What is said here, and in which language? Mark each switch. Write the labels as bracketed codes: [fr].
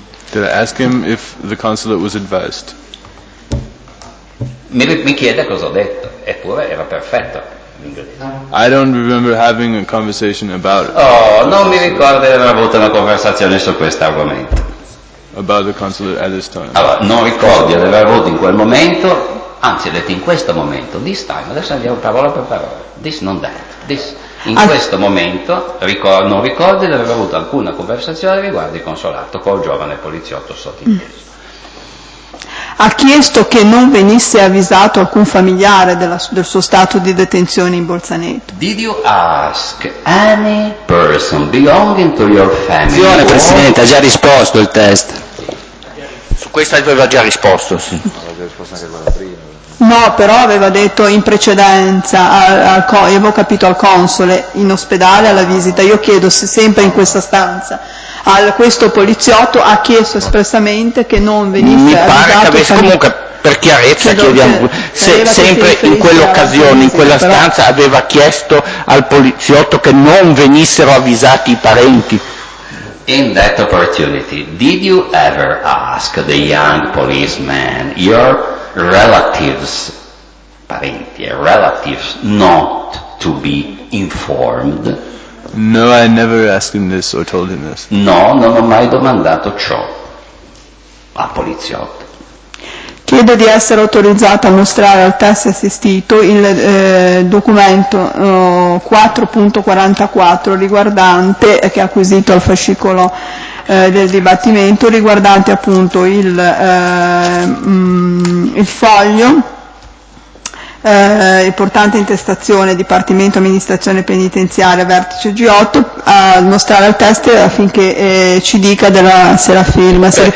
[en] Did I ask him if the consulate was advised? [it] Mi chiede cosa ho detto, eppure era perfetto l'inglese. [en] I don't remember having a conversation about it. [it] Oh, non mi ricordo di aver avuto una conversazione su questo argomento. [en] About the consulate at this time. [it] Allora, non ricordo di aver avuto in quel momento, anzi, ho detto in questo momento, [en] this time, [it] adesso andiamo parola per parola, this, non that, this. In questo momento non ricordo di aver avuto alcuna conversazione riguardo il consolato col giovane poliziotto sotto inglese. Ha chiesto che non venisse avvisato alcun familiare del suo stato di detenzione in Bolzaneto. [en] Did you ask any person belonging to your family? [it] Signore Presidente, ha già risposto il test. Su questo aveva già risposto, sì. No, però aveva detto in precedenza, avevo capito al console, in ospedale, alla visita. Io chiedo se sempre in questa stanza. Questo poliziotto ha chiesto espressamente che non venisse mi pare avvisato che avesse comunque per chiarezza sempre in quell'occasione in quella stanza però aveva chiesto al poliziotto che non venissero avvisati i parenti. [en] In that opportunity did you ever ask the young policeman your relatives parenti relatives not to be informed? No, I never asked him this or told him this. [it] No, non ho mai domandato ciò al poliziotto. Chiedo di essere autorizzata a mostrare al test assistito il documento 4.44 riguardante, che ha acquisito al fascicolo del dibattimento, riguardante appunto il foglio portante intestazione Dipartimento Amministrazione Penitenziaria Vertice G8, a mostrare al test affinché ci dica della, se la firma.